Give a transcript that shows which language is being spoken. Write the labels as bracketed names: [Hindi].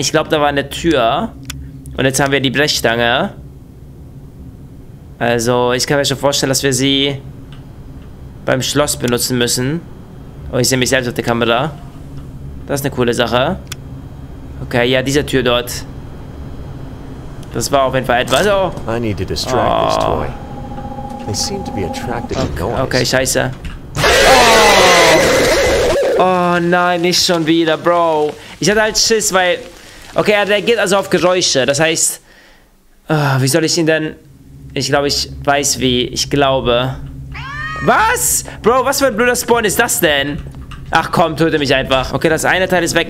[German] Ich glaube, da war eine Tür. Und jetzt haben wir die Brechstange. Also, ich kann mir schon vorstellen, dass wir sie beim Schloss benutzen müssen. Oh, ich sehe mich selbst auf der Kamera. Das ist eine coole Sache. Okay, ja, diese Tür dort. Das war auf jeden Fall etwas. Oh. [English] I need to distract this toy. They seem to be attracted to noise. [German] Okay, scheiße. Oh nein, nicht schon wieder, Bro. Ich hatte halt Schiss, weil... Okay, er reagiert also auf Geräusche. Das heißt... Oh, wie soll ich ihn denn... Ich glaube, ich weiß wie. Ich glaube... Was? Bro, was für ein blöder Spawn ist das denn? Ach komm, töte mich einfach. Okay, das eine Teil ist weg.